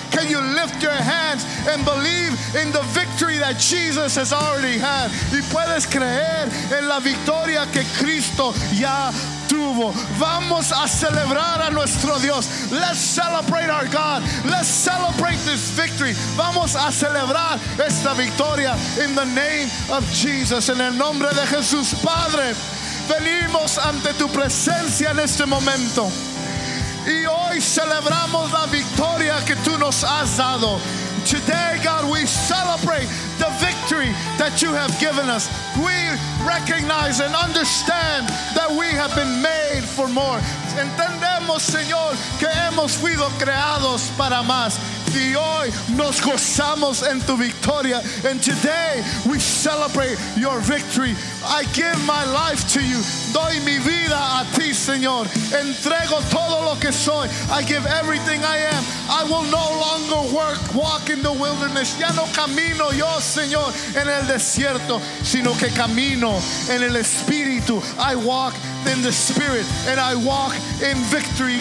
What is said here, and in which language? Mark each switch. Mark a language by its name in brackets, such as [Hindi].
[English] Can you lift your hands and believe in the victory that Jesus has already had? [Spanish] ¿Y puedes creer en la victoria que Cristo ya tuvo? Vamos a celebrar a nuestro Dios. [English] Let's celebrate our God. Let's celebrate this victory. [Spanish] Vamos a celebrar esta victoria [English] in the name of Jesus. [Spanish] En el nombre de Jesús, Padre, venimos ante tu presencia en este momento. Y hoy celebramos la victoria que tú nos has dado. [English] Today, God, we celebrate the victory that you have given us. We recognize and understand that we have been made for more. [Spanish] Entendemos, Señor, que hemos sido creados para más. Y hoy nos gozamos en tu victoria. [English] And today we celebrate your victory. I give my life to you. [Spanish] Doy mi vida a ti, Señor. Entrego todo lo que soy. [English] I give everything I am. I will no longer walk in the wilderness. [Spanish] Ya no camino yo, Señor, en el desierto, sino que camino en el Espíritu. [English] I walk in the Spirit and I walk in victory.